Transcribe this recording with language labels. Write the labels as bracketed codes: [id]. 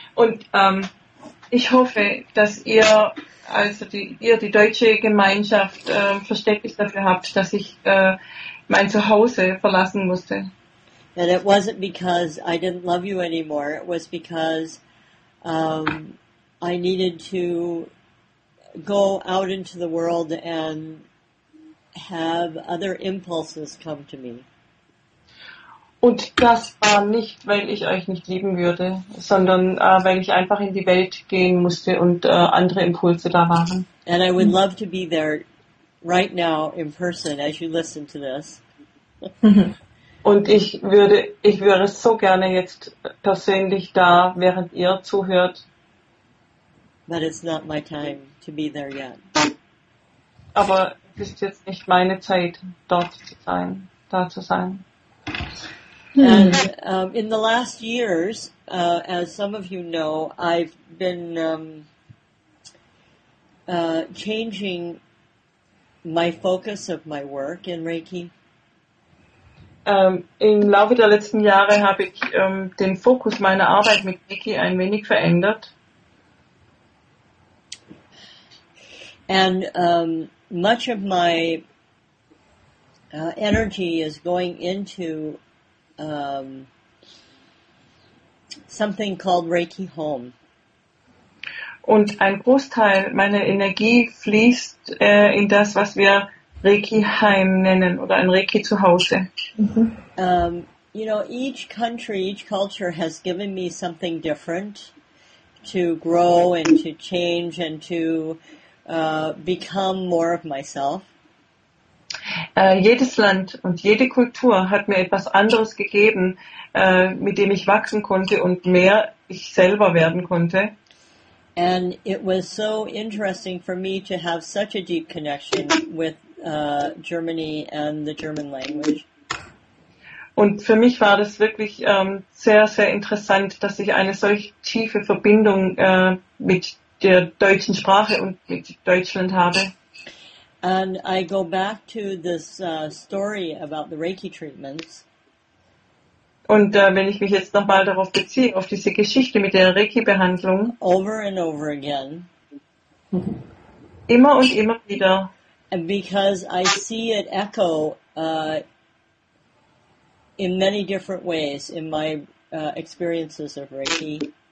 [de] Und ich hoffe, dass ihr, also die deutsche Gemeinschaft, Verständnis dafür habt, dass ich mein Zuhause verlassen musste. [en] And it wasn't because I didn't love you anymore. It was because I needed to go out into the world and have other impulses come to me. [de] Und das war nicht, weil ich euch nicht lieben würde, sondern weil ich einfach in die Welt gehen musste und andere Impulse da waren. [en] And I would love to be there right now in person as you listen to this. [de] Und ich wäre so gerne jetzt persönlich da, während ihr zuhört. [en] But it's not my time to be there yet. [de] Aber es ist jetzt nicht meine Zeit, dort zu sein, da zu sein. [en] And in the last years, as some of you know, I've been changing my focus of my work in Reiki. [de] Im Laufe der letzten Jahre habe ich den Fokus meiner Arbeit mit Reiki ein wenig verändert. [en] And much of my energy is going into something called Reiki Home. [de] Und ein Großteil meiner Energie fließt in das, was wir Reiki Heim nennen oder ein Reiki Zuhause. Mm-hmm. [en] You know, each country, each culture has given me something different to grow and to change and to become more of myself. [de] Jedes Land und jede Kultur hat mir etwas anderes gegeben, mit dem ich wachsen konnte und mehr ich selber werden konnte. [en] And it was so interesting for me to have such a deep connection with Germany and the German language. [de] Und für mich war das wirklich sehr, sehr interessant, dass ich eine solch tiefe Verbindung mit der deutschen Sprache und mit Deutschland habe. [en] And I go back to this story about the Reiki treatments. [de] Und wenn ich mich jetzt nochmal darauf beziehe, auf diese Geschichte mit der Reiki-Behandlung. [en] Over and over again. [de] Immer und immer wieder. [en] And because I see it echo in many different ways in my experiences of Reiki.